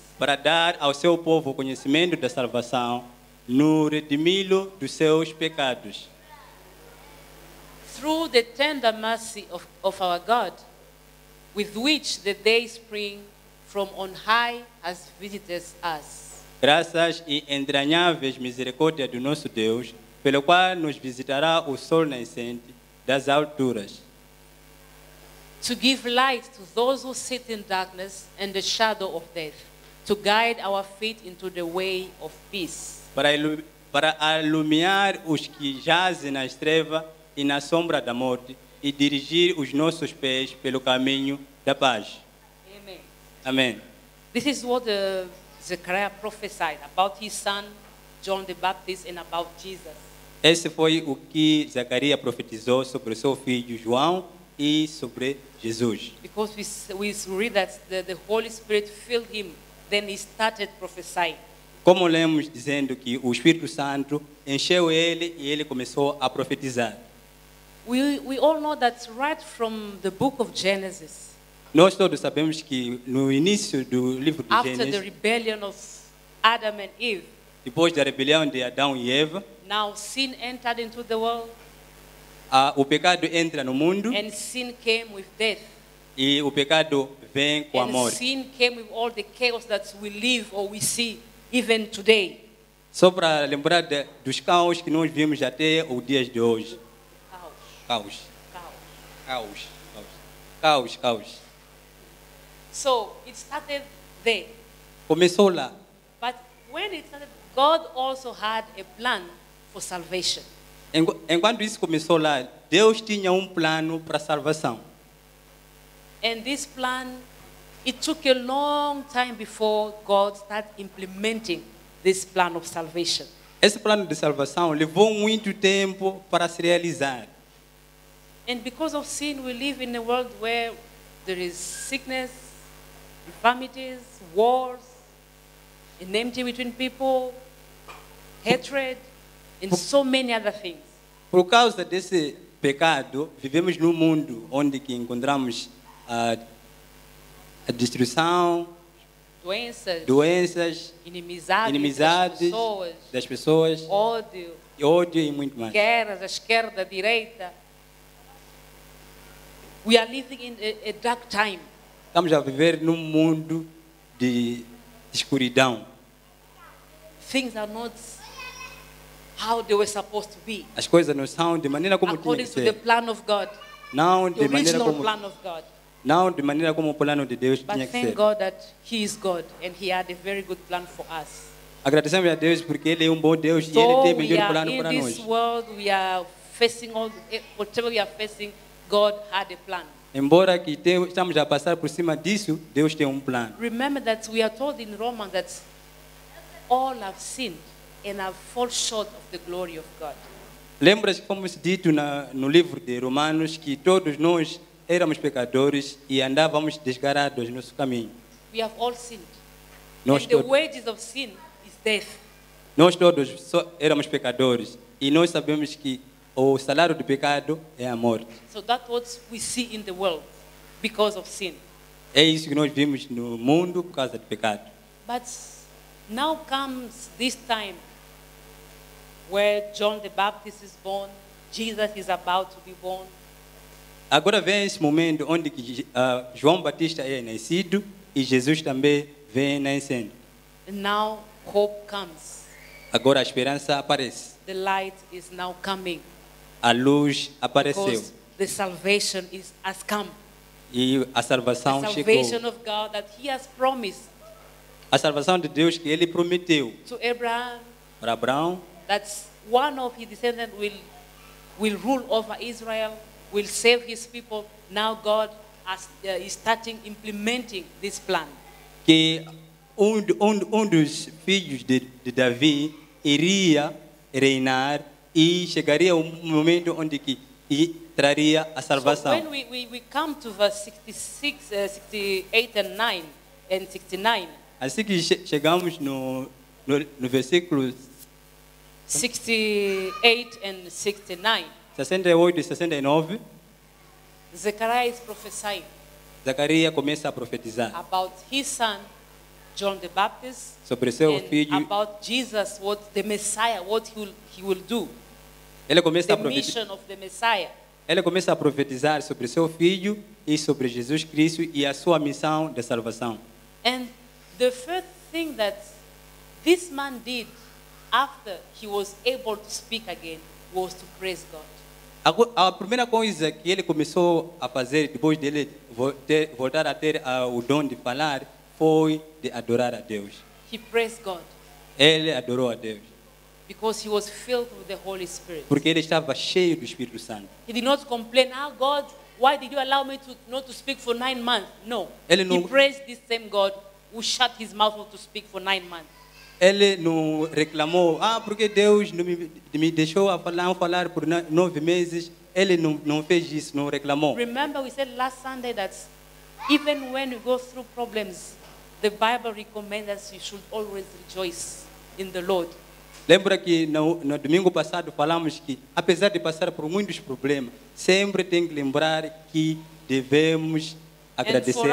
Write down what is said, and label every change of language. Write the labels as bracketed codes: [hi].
[pt] Para dar ao seu povo o conhecimento da salvação, no redimi-lo dos seus pecados. [en] Through the tender mercy of our God, with which the day spring from on high has visited us. [pt] Graças e entranháveis misericórdia do nosso Deus, pelo qual nos visitará o sol nascente das alturas. [en] To give light to those who sit in darkness and the shadow of death. To guide our feet into the way of peace. [pt] Para alumiar os que jazem na estreva e na sombra da morte e dirigir os nossos pés pelo caminho da paz. [en] Amen. Amen. This is what Zechariah prophesied about his son John the Baptist and about Jesus. [pt] Esse foi o que Zechariah profetizou sobre seu filho João e sobre Jesus. [en] Because we read that the Holy Spirit filled him Then he started prophesying. [pt] Como lemos dizendo que o Espírito Santo encheu ele e ele começou a profetizar. [en] We all know that right from the book of Genesis. [pt] Nós todos sabemos que no início do livro de Gênesis. [en] After the rebellion of Adam and Eve. [pt] Depois da rebelião de Adão e Eva. [en] Now sin entered into the world. [pt] O pecado entra no mundo. [en] And sin came with death. [pt] E o pecado vem com [en] and [pt] a morte. [en] Sin came with all the chaos that we live or we see. Even today. [pt] Só para lembrar dos caos que nós vimos até o dia de hoje. Caos. Caos. Caos. Caos. Caos. [en] So it started there. [pt] Começou lá. [en] But when it started, God also had a plan for salvation. [pt] Enquanto isso começou lá, Deus tinha plano para salvação. [en] And this plan. It took a long time before God started implementing this plan of salvation. [pt] Esse plano de salvação levou muito tempo para se realizar. And because of sin, we live in a world where there is sickness, infirmities, wars, enmity between people, hatred, and so many other things. Por causa desse pecado, vivemos num mundo onde que encontramos a destruição, doenças, inimizades das pessoas, ódio e muito mais. Guerras, a esquerda, a direita. [en] We are living in a dark time. [pt] Estamos a viver num mundo de escuridão. Things are not how they were supposed to be. As coisas não são de maneira como tinha que ser. [en] According to the plan of God. [pt] Não de maneira como. [en] Original plan of God. [pt] Não de maneira como o plano de Deus tinha que ser. [en] Thank God that He is God and He had a very good plan for us. [pt] Agradecemos a Deus porque Ele é bom Deus [en] so [pt] e Ele tem melhor plano para nós. [en] In this world, we are facing all whatever we are facing. God had a plan. [pt] Embora que estamos a passar por cima disso, Deus tem plano. [en] Remember that we are told in Romans that all have sinned and have fallen short of the glory of God. [pt] Lembra que fomos dito no livro de Romanos que todos nós éramos pecadores e andávamos desgarrados no nosso caminho. [en] We have all sinned. [pt] Nós [en] and the wages of sin is death. [pt] Nós todos éramos pecadores e nós sabemos que o salário do pecado é a morte. [en] So that's what we see in the world because of sin. [pt] É isso que nós vimos no mundo por causa do pecado. [en] But now comes this time where John the Baptist is born, Jesus is about to be born. [pt] Agora vem esse momento onde João Batista é nascido e Jesus também vem nascendo. [en] Now hope comes. [pt] Agora a esperança aparece. [en] The light is now coming. [pt] A luz apareceu. [en] Because the salvation is has come. [pt] E a salvação [en] the [pt] chegou. [en] Salvation of God that he has promised. [pt] A salvação de Deus que ele prometeu. [en] To Abraham. [pt] Para Abraão. [en] That one of his descendants will rule over Israel. Will save his people. Now God is starting implementing this plan. [pt] Que um dos filhos de Davi iria reinar e chegaria o momento onde que traria a salvação. [en] So when we come to verse 66, 68 and 9 and 69. [pt] Assim que chegamos no versículo [en] 68 and 69. [pt] 68 e 69. [en] Zechariah is prophesying. [pt] Zacarias começa a profetizar. [en] About his son, John the Baptist. [pt] Sobre seu [en] and [pt] filho. [en] About Jesus, what the Messiah, what he will do. [pt] Ele começa [en] the [pt] a profetizar. [en] Mission of the Messiah. [pt] Ele começa a profetizar sobre seu filho e sobre Jesus Cristo e a sua missão de salvação. [en] And the first thing that this man did after he was able to speak again was to praise God. [pt] A primeira coisa que ele começou a fazer depois dele voltar a ter o dom de falar foi de adorar a Deus. [en] He praised God. [pt] Ele adorou a Deus. [en] Because he was filled with the Holy Spirit. [pt] Porque ele estava cheio do Espírito Santo. [en] He did not complain, "Oh God, why did you allow me to not to speak for 9 months?" No. [pt] Ele não... [en] He praised this same God who shut his mouth not to speak for 9 months. [pt] Ele não reclamou, porque Deus não me deixou a falar por 9 meses. Ele não fez isso, não reclamou. [en] Remember we said last Sunday that even when you go through problems, The Bible recommends us you should always rejoice in the Lord. [pt] Lembra que no domingo passado falamos que apesar de passar por muitos problemas, sempre tem que lembrar que devemos agradecer a Deus.